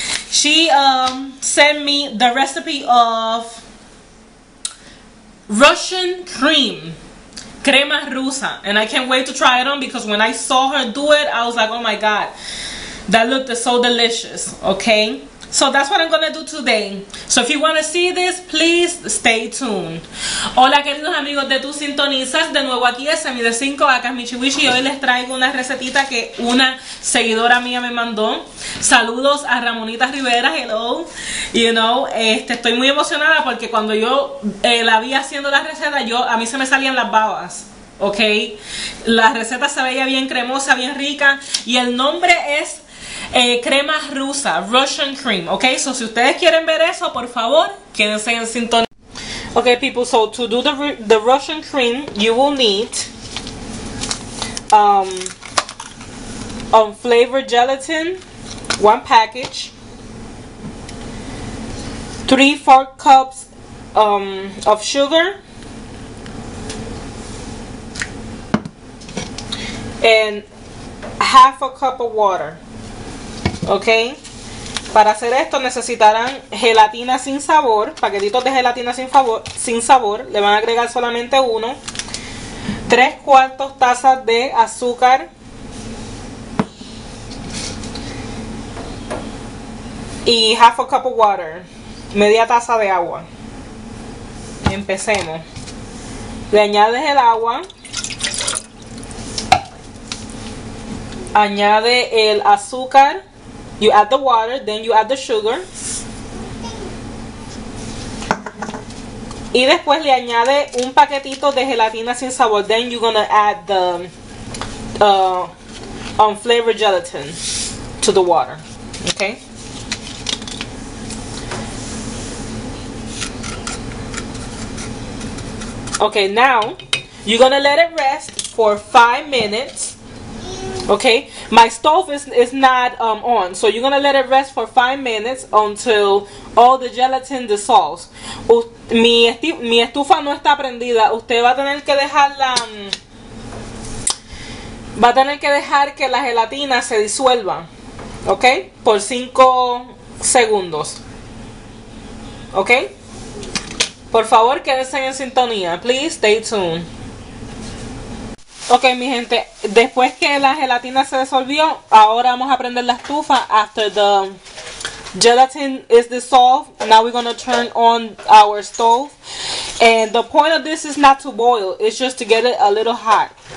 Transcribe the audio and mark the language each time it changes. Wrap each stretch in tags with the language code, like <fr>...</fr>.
<en>She sent me the recipe of Russian cream, crema rusa, and I can't wait to try it on because when I saw her do it, I was like, oh my god, that looked so delicious. Okay, so that's what I'm gonna do today. So if you want to see this, please stay tuned.</en> <es>Hola queridos amigos de Tu Sintonizas, de nuevo aquí es Semi de 5, acá es Michi Wichi, y hoy les traigo una recetita que una seguidora mía me mandó. Saludos a Ramonita Rivera, hello.</es> <en>You know,</en> <es>estoy muy emocionada porque cuando yo la vi haciendo la receta, a mí se me salían las babas, ¿ok? La receta se veía bien cremosa, bien rica, y el nombre es crema rusa, Russian cream, ¿ok? So, si ustedes quieren ver eso, por favor, quédense en sintonía.</es> <en>Ok, people, so to do the Russian cream, you will need unflavored gelatin, one package, 3/4 cups of sugar, and 1/2 cup of water.</en> <es>Okay, para hacer esto necesitarán gelatina sin sabor, paquetitos de gelatina sin sabor, le van a agregar solamente uno, 3/4 tazas de azúcar, y 1/2</es> <en>cup of water,</en> <es>media taza de agua. Empecemos. Le añades el agua. Añade el azúcar.</es> <en>You add the water, then you add the sugar.</en> <es>Y después le añade un paquetito de gelatina sin sabor.</es> <en>Then you're gonna add the unflavored gelatin to the water. Okay? Okay, now you're gonna let it rest for 5 minutes. Okay, my stove is not on, so you're gonna let it rest for 5 minutes until all the gelatin dissolves.</en> <es>Mi estufa no está prendida. Usted va a tener que dejar que la gelatina se disuelva, okay, por 5 segundos, okay. Por favor, quédense en sintonía.</es> <en>Please stay tuned.</en> <es>Ok, mi gente. Después que la gelatina se disolvió, ahora vamos a prender la estufa.</es> <en>After the gelatin is dissolved, now we're going to turn on our stove. And the point of this is not to boil. It's just to get it a little hot.</en>